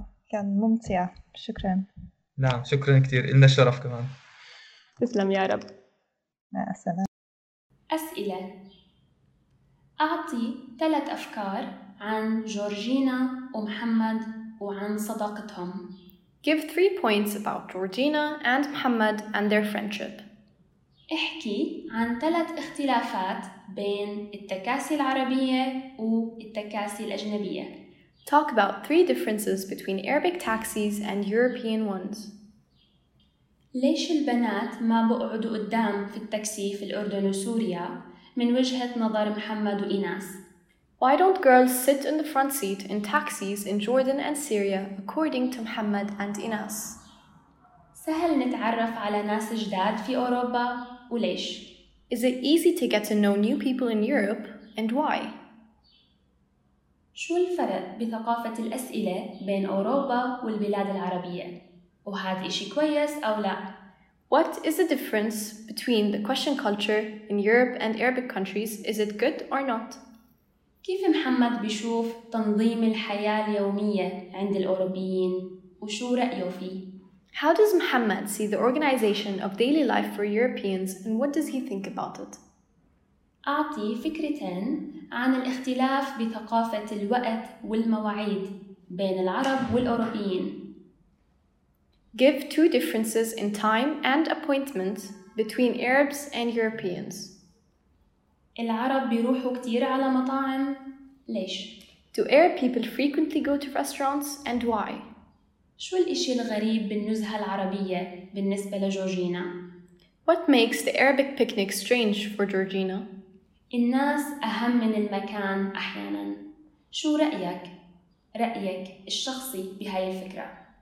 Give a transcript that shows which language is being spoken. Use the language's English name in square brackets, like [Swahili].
[Arabic] كان ممتع، شكراً. نعم شكراً كتير، إلنا الشرف كمان. تسلم يا رب. مع السلامة. أسئلة. أعطي 3 أفكار عن جورجينا ومحمد وعن صداقتهم. [English] Give 3 points about Georgina and Muhammad and their friendship. [Arabic] احكي عن 3 اختلافات بين التكاسي العربية والتكاسي الأجنبية. [English] Talk about 3 differences between Arabic taxis and European ones. [Arabic] ليش البنات ما بقعدوا قدام في التاكسي في الأردن وسوريا من وجهة نظر محمد وإيناس؟ [English] Why don't girls sit in the front seat in taxis in Jordan and Syria according to Muhammad and Inas? [Arabic] سهل نتعرف على ناس جداد في أوروبا وليش؟ [English] Is it easy to get to know new people in Europe and why? [Arabic] شو الفرق بثقافة الأسئلة بين أوروبا والبلاد العربية؟ وهذا إشي كويس أو لا؟ [English] What is the difference between the question culture in Europe and Arabic countries? Is it good or not? [Arabic] كيف محمد بيشوف تنظيم الحياة اليومية عند الأوروبيين وشو رأيه فيه؟ [English] How does Muhammad see the organization of daily life for Europeans and what does he think about it? [Arabic] أعطي فكرتين عن الاختلاف بثقافة الوقت والمواعيد بين العرب والأوروبيين. [English] Give 2 differences in time and appointments between Arabs and Europeans. [Arabic] العرب بيروحوا كتير على مطاعم، ليش؟ [English] Do Arab people frequently go to restaurants and why? [Arabic] شو الإشي الغريب بالنزهة العربية بالنسبة لجورجينا؟ [English] What makes the Arabic picnic strange for Georgina? [Arabic] الناس أهم من المكان أحياناً. شو رأيك؟ رأيك الشخصي بهاي الفكرة؟